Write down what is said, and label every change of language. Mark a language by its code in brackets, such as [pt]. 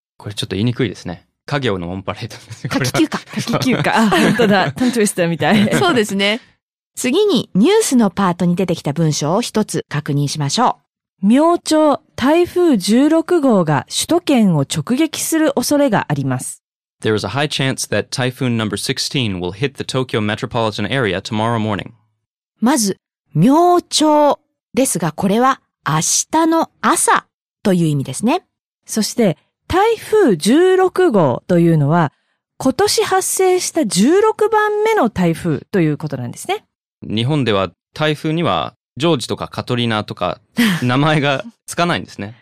[ja] これちょっと言いにくいですね。家業のオンパレードです。夏季休暇。夏季休暇。本当だ。タントゥイスターみたい。そうですね。次にニュースのパートに出てきた文章を一つ確認しましょう。明朝、台風16号が首都圏を直撃する恐れがあります。 [en] There is a high chance that typhoon number 16 will hit the Tokyo metropolitan area tomorrow morning. [ja] まず、明朝ですが、これは明日の朝という意味ですね。そして、台風16号というのは、今年発生した16番目の台風ということなんですね。日本では台風にはジョージとかカトリーナとか名前がつかないんですね。